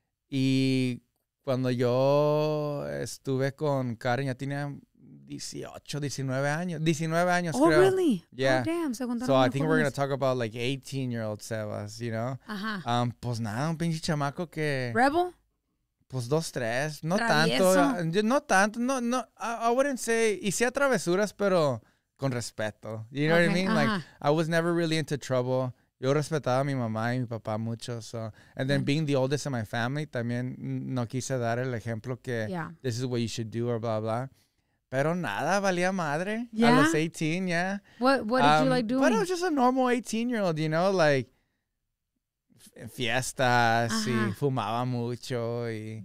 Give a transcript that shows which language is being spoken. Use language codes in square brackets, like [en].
[es] Y cuando yo estuve con Karen, ya tenía 18, 19 años. 19 años, oh, creo. [en] Oh, really? Yeah. Oh, damn. So I think we're going to talk about like 18-year-old Sebas, you know? Ajá. [es] Pues nada, un pinche chamaco que... [en] Rebel? [es] Pues dos, tres. No tanto. No tanto. No, no. [en] I wouldn't say... [es] Hice travesuras, pero con respeto. [en] You know what I mean? Uh-huh. Like, I was never really into trouble. [es] Yo respetaba a mi mamá y mi papá mucho, so... [en] And then being the oldest in my family, [es] también no quise dar el ejemplo que... [en] Yeah. This is what you should do, or blah, blah. [es] Pero nada, valía madre. [en] Yeah? I was 18, yeah. What did you like doing? But I was just a normal 18-year-old, you know? [es] Like, fiestas, y fumaba mucho, y...